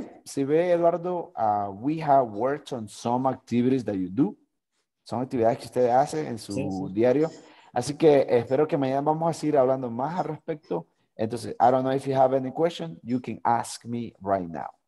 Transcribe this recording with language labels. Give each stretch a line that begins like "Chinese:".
Spanish: Si ve,
English: Eduardo, we have worked on some activities that you do.
Spanish: Son actividades que usted hace en su diario. Así que espero que mañana vamos a seguir hablando más al respecto. Entonces,
English: I don't know if you have any question, you can ask me right now.